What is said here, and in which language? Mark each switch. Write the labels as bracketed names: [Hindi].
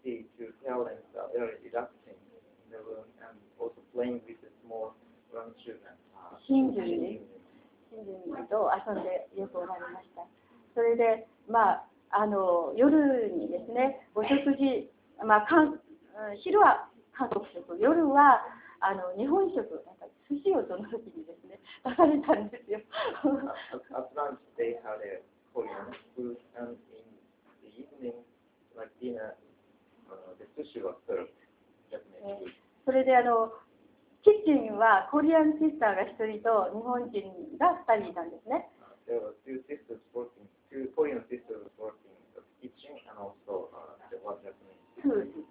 [Japanese] 新住民と遊んでよくおられました。それで、まあ、あの夜にですね、お食事、まあ昼は韓国食、夜はあの日本食、なんか寿司をその時にですね、出されたんですよ。 [English] At lunch, they had a Korean food, and in the evening, like dinner, the sushi was served. [Japanese] それであの、キッチンはコリアンシスターが1人と日本人が2人いたんですね。 [English] There were two sisters working, two Korean sisters working at the kitchen, and also the one Japanese.